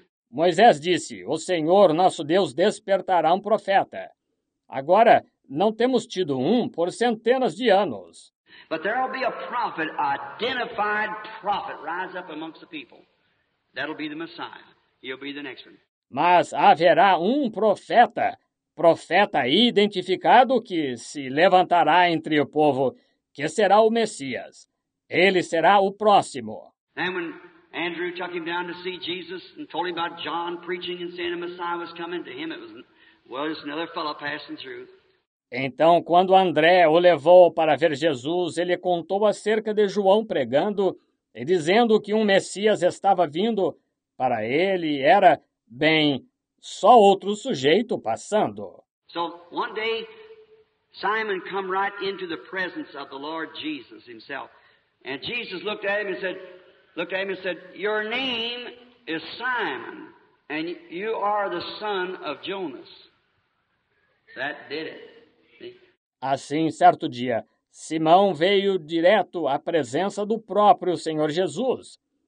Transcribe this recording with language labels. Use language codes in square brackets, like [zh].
[pt] Moisés disse, o Senhor nosso Deus despertará um profeta. Agora, não temos tido um por centenas de anos. [en] But there will be a prophet, identified prophet, rise up amongst the people. That'll be the Messiah. He'll be the next one. [pt] Mas haverá um profeta, profeta identificado que se levantará entre o povo, que será o Messias. Ele será o próximo. [en] And when Andrew took him down to see Jesus and told him about John preaching and saying the Messiah was coming to him, it was another fellow passing through. [pt] Então, quando André o levou para ver Jesus, ele contou acerca de João pregando e dizendo que um Messias estava vindo. Para ele, era, bem, só outro sujeito passando. [en] So, one day, Simon come right into the presence of the Lord Jesus himself. And Jesus looked at him and said, your name is Simon, and you are the son of Jonas. That did it. [pt] Assim, certo dia, Simão veio direto à presença do próprio Senhor Jesus.